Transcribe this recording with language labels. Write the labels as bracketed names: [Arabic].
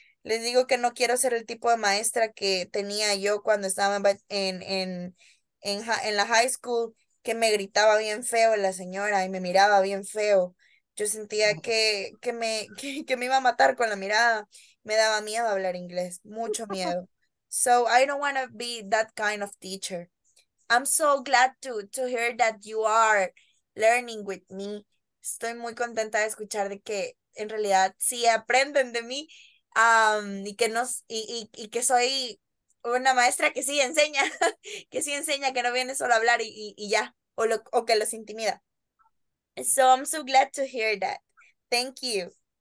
[Spanish] Les digo que no quiero ser el tipo de maestra que tenía yo cuando estaba en la high school, que me gritaba bien feo la señora y me miraba bien feo. Yo sentía que me iba a matar con la mirada. Me daba miedo hablar inglés, mucho miedo. [English] So I don't want to be that kind of teacher. I'm so glad to hear that you are learning with me. [Spanish] Estoy muy contenta de escuchar de que en realidad sí aprenden de mí. Y que soy una maestra que sí enseña, que no viene solo a hablar y ya, o que los intimida. [English] So I'm so glad to hear that. Thank you.